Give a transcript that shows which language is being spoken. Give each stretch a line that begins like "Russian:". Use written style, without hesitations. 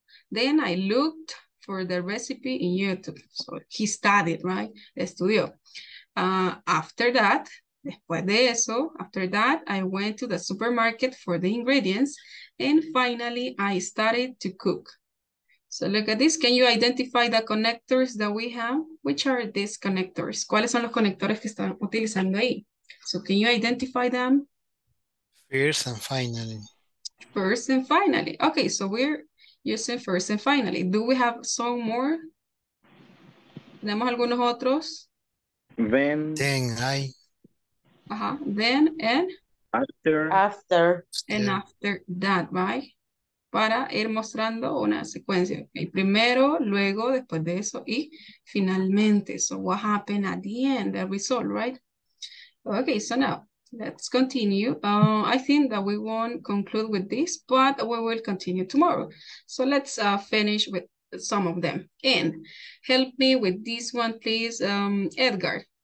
English: Then I looked for the recipe in YouTube. So he studied, right? Estudió. After that,
Spanish: después de eso,
English: after that, I went to the supermarket for the ingredients. And finally, I started to cook. So look at this. Can you identify the connectors that we have? Which are these connectors?
Spanish: ¿Cuáles son los conectores que están utilizando ahí?
English: So can you identify them? First and finally. First and finally. Okay, so we're using first and finally. Do we have some more?
Spanish: ¿Tenemos algunos otros?
English: Then. Then I. Uh-huh. Then and? After. After. And after that, right?
Spanish: Para ir mostrando una secuencia. Okay, primero, luego, después de eso, y finalmente.
English: So what happened at the end, the result, right? Okay, so now. Let's continue. I think that we won't conclude with this, but we will continue tomorrow. So let's finish with some of them. And help me with this one, please, Edgar.